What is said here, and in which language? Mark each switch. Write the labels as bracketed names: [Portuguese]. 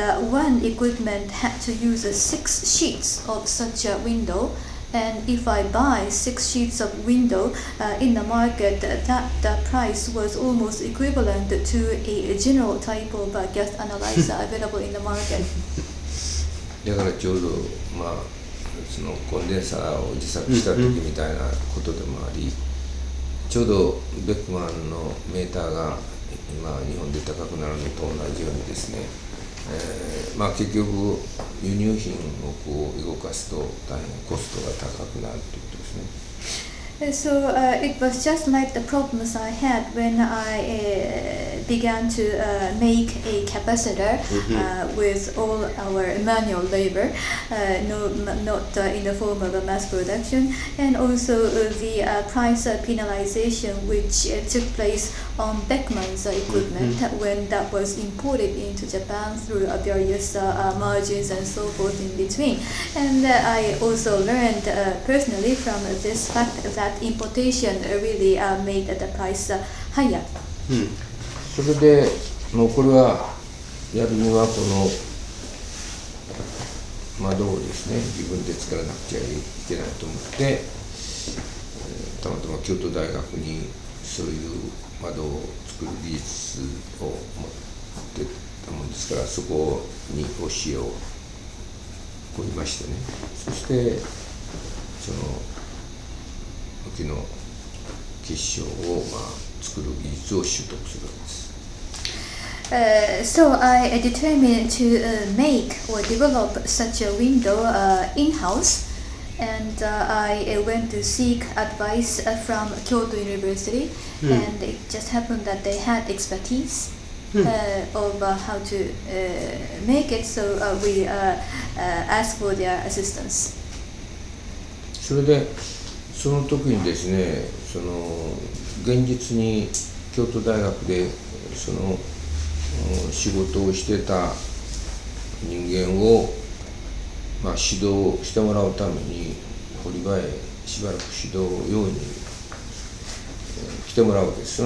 [English] One equipment had to use six sheets of such a window. And if I buy six sheets of window in the market, that price was almost equivalent to a general type of gas analyzer available in the market. [Japanese] だからちょうど、まあ、そのコンデンサーを自作した時みたいなことでもあり、ちょうどベックマンのメーターが今日本で高くなるのと同じようにですね、まあ、結局輸入品をこう動かすと大変コストが高くなるということですね。 [English] So it was just like the problems I had when I began to make a capacitor with all our manual labor, not in the form of a mass production, and also the price penalization which took place on Beckman's equipment when that was imported into Japan through various margins and so forth in between. And I also learned personally from this fact that importation really made the price higher. [Japanese] それで、もうこれはやるにはこの窓をですね、自分で作らなくちゃいけないと思って、たまたま京都大学にそういう窓を作る技術を持ってたもんですから、そこに教えを請いましてね。そして、その武器の結晶を、まあ、作る技術を習得するわけです。 [English] So I determined to make or develop such a window in-house, and I went to seek advice from Kyoto University, and it just happened that they had expertise of how to make it, so we asked for their assistance. [Japanese] それで、その時にですね、その現実に京都大学でその仕事をしてた人間を、まあ、指導してもらうために堀場へしばらく指導用に来てもらうわけです。